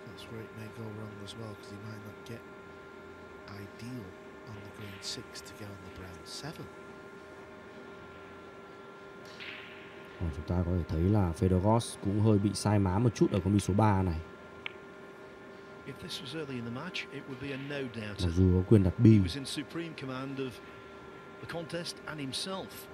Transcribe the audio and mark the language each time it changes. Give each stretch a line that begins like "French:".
English: Where it may go wrong as well, because he might not get ideal on the green 6 to go on the brown 7.
Vietnamese: Và chúng ta có thể thấy là Fedorov cũng hơi bị sai má một chút ở con bi số 3 này.
English: If this was early in the match, it would be a no doubt.
Vietnamese: Mặc dù có quyền đặt bi.
English: He was in supreme command of the contest and himself.